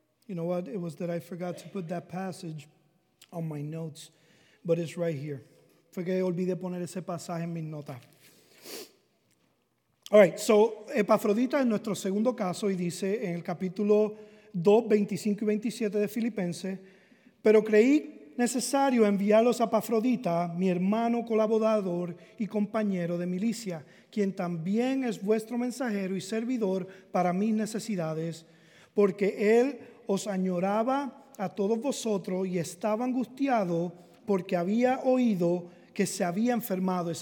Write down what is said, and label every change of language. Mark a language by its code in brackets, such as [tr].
[en] you know what? It was that I forgot to put that passage on my notes, but it's right here. [es] Fue que olvidé poner ese pasaje en mis notas. [en] All right, [es] so Epafrodita es nuestro segundo caso y dice en el capítulo 2, 25 y 27 de Filipenses, pero creí necesario enviarlos a Epafrodita, mi hermano colaborador y compañero de milicia, quien también es vuestro mensajero y servidor para mis necesidades, porque él os añoraba a todos vosotros y estaba angustiado porque había oído que se había enfermado.